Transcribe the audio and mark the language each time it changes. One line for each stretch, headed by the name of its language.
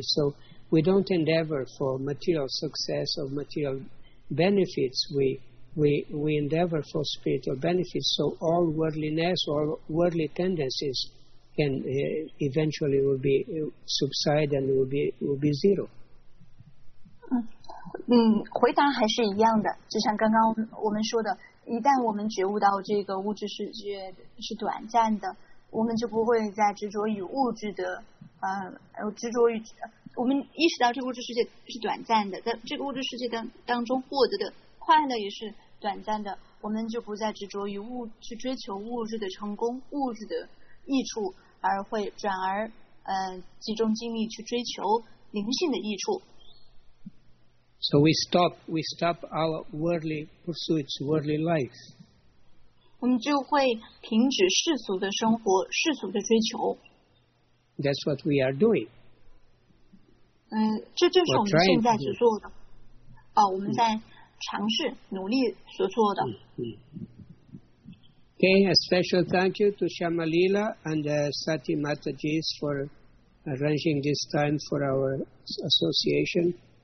English: So we don't endeavor for material success or material benefits. We endeavor for spiritual benefits. So all worldliness, all worldly tendencies, can eventually will be subside and will be zero.
Chinese: 回答还是一样的，就像刚刚我们说的，一旦我们觉悟到这个物质世界是短暂的，我们就不会再执着于物质的，执着于我们意识到这个物质世界是短暂的，在这个物质世界当中获得的快乐也是短暂的，我们就不再执着于物去追求物质的成功、物质的益处，而会转而集中精力去追求灵性的益处。
English: So we stop our worldly pursuits, worldly life.
Chinese: 我们就会停止世俗的生活、世俗的追求。
English: That's what we are doing.
Chinese: 这就是我们现在所做的。我们在尝试、努力所做的。
English: Okay, a special thank you to Shyamalila and Sati Mataji for arranging this time for our association.